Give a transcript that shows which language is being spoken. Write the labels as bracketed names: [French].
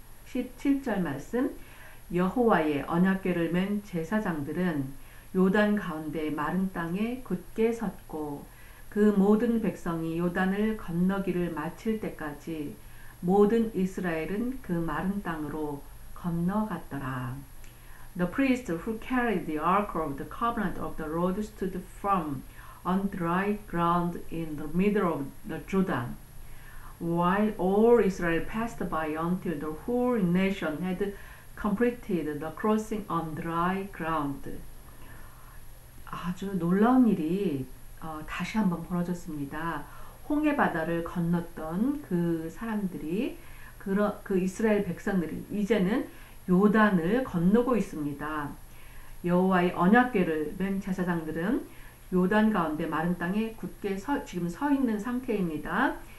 [Korean] 17절 말씀, 여호와의 언약궤를 맨 제사장들은 요단 가운데 마른 땅에 굳게 섰고 그 모든 백성이 요단을 건너기를 마칠 때까지 모든 이스라엘은 그 마른 땅으로 건너갔더라. [English] The priest who carried the ark of the covenant of the Lord stood firm on dry ground in the middle of the Jordan, while all Israel passed by until the whole nation had completed the crossing on dry ground. [Korean] 아주 놀라운 일이 다시 한번 벌어졌습니다. 홍해 바다를 건넜던 그 사람들이, 그 이스라엘 백성들이 이제는 요단을 건너고 있습니다. 여호와의 언약궤를 맨 제사장들은 요단 가운데 마른 땅에 굳게 지금 서 있는 상태입니다.